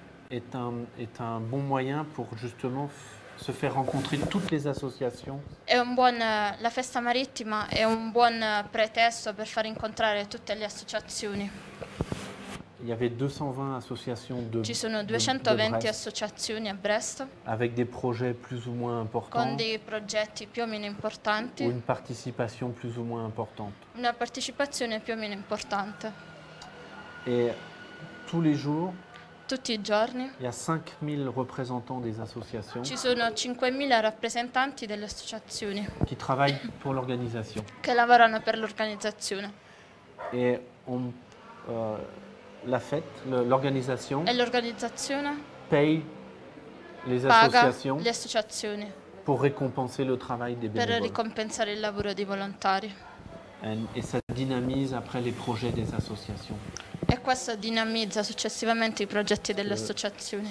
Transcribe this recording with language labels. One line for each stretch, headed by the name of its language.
French: est un bon moyen pour justement se faire rencontrer toutes les associations.
Italian: È un buon la festa marittima è un buon pretesto per far incontrare tutte le associazioni.
French: Il y avait 220 associations de
Italian: Ci sono 220 associazioni a Brest.
French: Avec des projets plus ou moins importants.
Italian: Con dei progetti più o meno importanti.
French: Ou une participation plus ou moins importante.
Italian: Una partecipazione più o meno importante.
French: Et tous les jours.
Italian: Tutti i giorni.
French: Il y a 5000 représentants des associations.
Italian: Ci sono 5000 rappresentanti delle associazioni.
French: Qui travaillent pour l'organisation.
Italian: Che lavorano per l'organizzazione.
French: Et on la fête, l'organisation.
Italian: Et l'organizzazione
French: paye les associations.
Italian: Le associazioni.
French: Pour récompenser le travail des bénévoles.
Italian: Per ricompensare il lavoro dei volontari.
French: Et ça dynamise après les projets des associations.
Italian: E questo dinamizza successivamente i progetti delle associazioni.